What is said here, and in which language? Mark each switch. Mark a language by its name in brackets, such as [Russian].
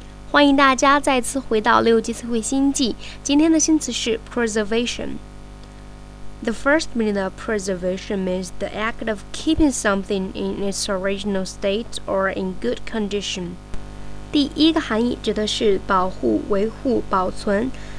[Chinese] 欢迎大家再次回到六级词汇星际。今天的新词是 preservation. [English] The first meaning of preservation means the act of keeping something in its original state or in good condition. [Chinese] 第一个含义指的是保护、维护、保存。